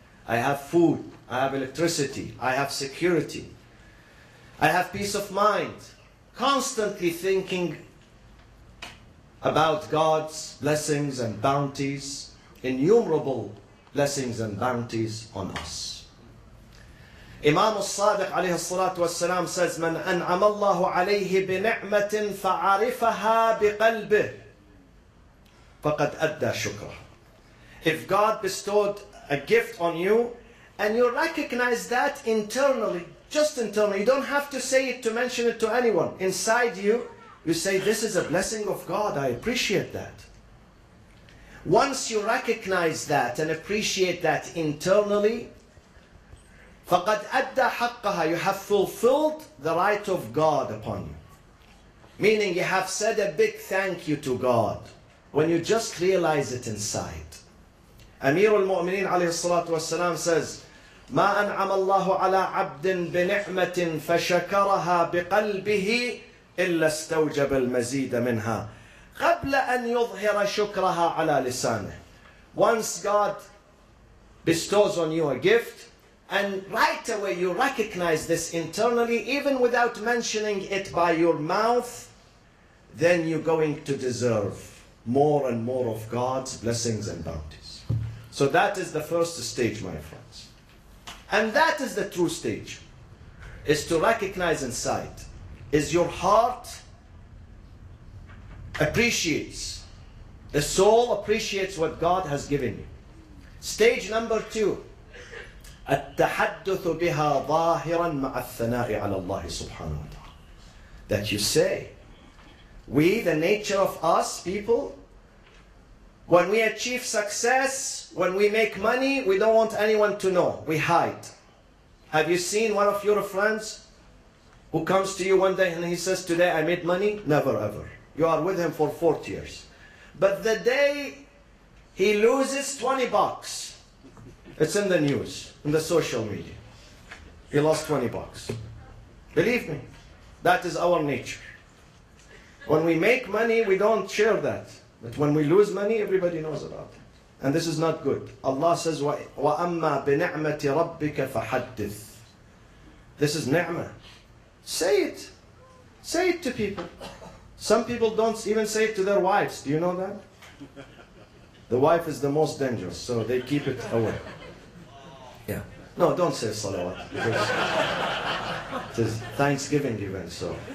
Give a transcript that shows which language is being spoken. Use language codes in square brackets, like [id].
[en] I have food, I have electricity, I have security. I have peace of mind. Constantly thinking about God's blessings and bounties, innumerable blessings and bounties on us. Imam al-Sadiq alayhi salatu wasalam says, [ar] من أنعم الله عليه بنعمة فعرفها بقلبه فقد أدى شكره. [en] If God bestowed a gift on you and you recognize that internally, just internally, you don't have to say it to mention it to anyone, inside you, you say, this is a blessing of God, I appreciate that. Once you recognize that and appreciate that internally, [ar] فَقَدْ أَدَّى حَقَّهَا, [en] you have fulfilled the right of God upon you. Meaning you have said a big thank you to God when you just realize it inside. Amir al-Mu'mineen alayhi salatu wasalam says, [ar] مَا أَنْعَمَ اللَّهُ عَلَىٰ عَبْدٍ بِنِعْمَةٍ فَشَكَرَهَا بِقَلْبِهِ إِلَّا اسْتَوْجَبَ الْمَزِيدَ مِنْهَا قَبْلَ أَنْ يُظْهِرَ شُكْرَهَا عَلَىٰ لِسَانِهِ. [en] Once God bestows on you a gift, and right away you recognize this internally, even without mentioning it by your mouth, then you're going to deserve more and more of God's blessings and bounties. So that is the first stage, my friends. And that is the true stage, is to recognize inside. Is your heart appreciates, the soul appreciates what God has given you. Stage number two, [ar] التحدث بها ظاهرا مع الثناء على الله سبحانه وتعالى. [en] That you say, we, the nature of us people, when we achieve success, when we make money, we don't want anyone to know. We hide. Have you seen one of your friends who comes to you one day and he says, today I made money? Never ever. You are with him for 40 years. But the day he loses 20 bucks, it's in the news, in the social media. He lost 20 bucks. Believe me, that is our nature. When we make money, we don't share that. But when we lose money, everybody knows about it. And this is not good. Allah says, [ar] وَأَمَّا بِنِعْمَةِ رَبِّكَ فَحَدِّثْ. [en] This is ni'mah. Say it. Say it to people. Some people don't even say it to their wives. Do you know that? The wife is the most dangerous, so they keep it away. Yeah. No, don't say salawat. It is Thanksgiving event, so.